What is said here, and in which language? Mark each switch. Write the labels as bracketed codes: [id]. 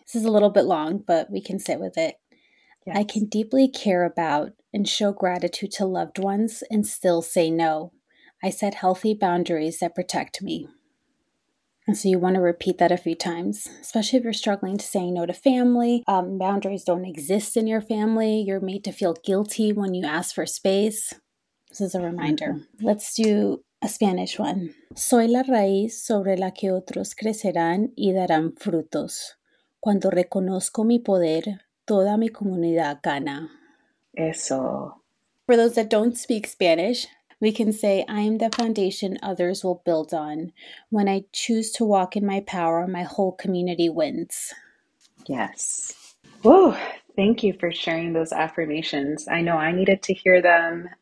[en] This is a little bit long, but we can sit with it. Yes. I can deeply care about and show gratitude to loved ones and still say no. I set healthy boundaries that protect me. And so you want to repeat that a few times, especially if you're struggling to say no to family. Boundaries don't exist in your family. You're made to feel guilty when you ask for space. This is a reminder. Let's do a Spanish one. [es] Soy la raíz sobre la que otros crecerán y darán frutos. Cuando reconozco mi poder, toda mi comunidad gana. Eso. [en] For those that don't speak Spanish, we can say, I am the foundation others will build on. When I choose to walk in my power, my whole community wins. Yes. Whoa, thank you for sharing those affirmations. I know I needed to hear them.